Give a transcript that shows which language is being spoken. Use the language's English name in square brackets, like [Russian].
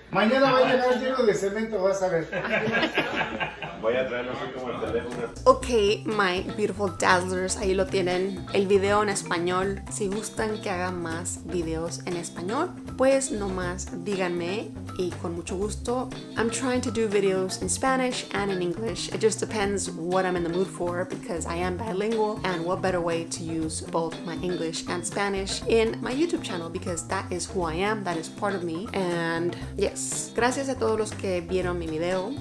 [Spanish] Mañana va a llegar lleno de cemento, vas a ver. Voy a traer, no sé cómo el teléfono. [English] Ok, my beautiful dazzlers, [Spanish] ahí lo tienen. El video en español. Si gustan que haga más videos en español, pues nomás díganme y con mucho gusto. [English] I'm trying to do videos in Spanish and in English. It just depends what I'm in the mood for because I am bilingual. And what better way to use both my English and Spanish in my YouTube channel because that is who I am, that is part of me. And yes, [Spanish] gracias a todos los que vieron mi video.